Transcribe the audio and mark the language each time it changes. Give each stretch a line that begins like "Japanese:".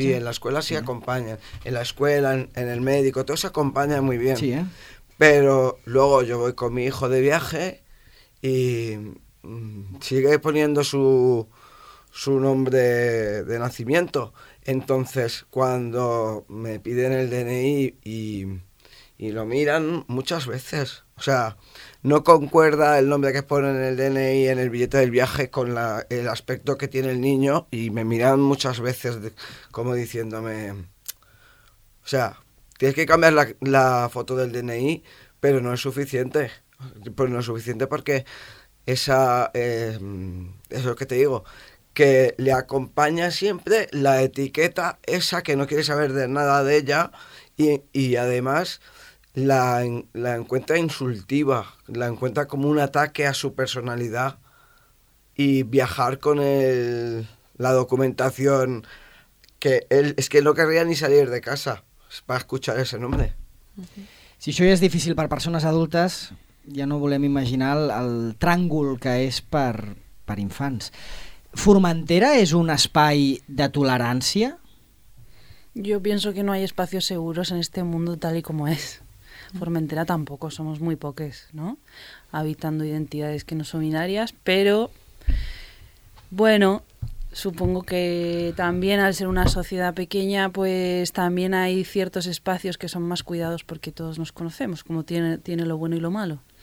Catalan: Sí, en l'escola sí acompanyen. En l'escola, en el médico, tot s'acompanya molt bé.
Spanish: Sí, Pero luego yo voy con mi hijo de viaje y sigue poniendo su nombre de nacimiento. Entonces, cuando me piden el DNI y lo miran muchas veces, o sea, no concuerda el nombre que ponen en el DNI en el billete del viaje con el aspecto que tiene el niño, y me miran muchas veces como diciéndome, o sea, tienes que cambiar la foto del DNI, pero no es suficiente. Pues no es suficiente porque eso que te digo, que le acompaña siempre la etiqueta esa que no quiere saber de nada de ella, y además la encuentra insultiva, la encuentra como un ataque a su personalidad, y viajar con la documentación que él, es que no querría ni salir de casa para escuchar ese nombre.
Catalan: Si això ja és difícil per persones adultes, ja no volem imaginar el tràngol que és per infants. Formentera és un espai de tolerància?
Spanish: Yo pienso que no hay espacios seguros en este mundo tal y como es. Formentera tampoco, somos muy poques, ¿no? Habitando identidades que no son binarias, pero bueno, supongo que también al ser una sociedad pequeña, pues también hay ciertos espacios que son más cuidados porque todos nos conocemos, como tiene lo bueno y lo malo.